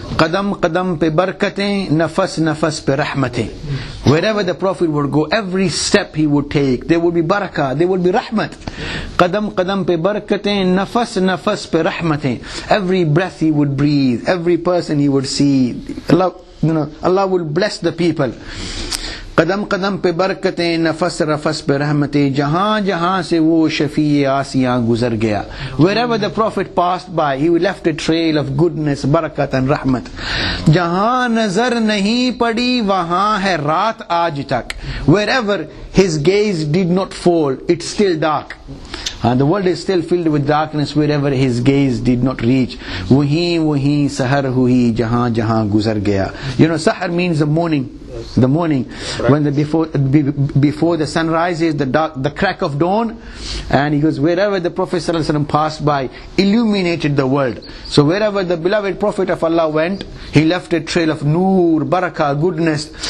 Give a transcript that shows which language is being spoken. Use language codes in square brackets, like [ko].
[ur] Qadam qadam pe barkatein, nafas nafas pe rahmatein. [en] Wherever the Prophet would go, every step he would take, there would be barakah, there would be rahmat. [ur] Qadam qadam pe barkatein, nafas nafas pe rahmatein. [en] Every breath he would breathe, every person he would see, Allah will bless the people. [ur] قدم قدم پہ برکتیں نفس رفس پہ رحمتیں جہاں جہاں سے وہ شفیع آسیاں گزر گیا. [en] Wherever the Prophet passed by, he left a trail of goodness, barakat and rahmat. [ur] جہاں نظر نہیں پڑی وہاں ہے رات آج تک. [en] Wherever his gaze did not fall, it's still dark. And the world is still filled with darkness wherever his gaze did not reach. [ur] وہی وہی سحر ہوئی جہاں جہاں گزر گیا. [en] You know, sahar means the morning. The morning, when before the sun rises, the crack of dawn, and he goes, wherever the Prophet sallallahu alaihi wasallam passed by, illuminated the world. So wherever the beloved Prophet of Allah went, he left a trail of noor, barakah, goodness.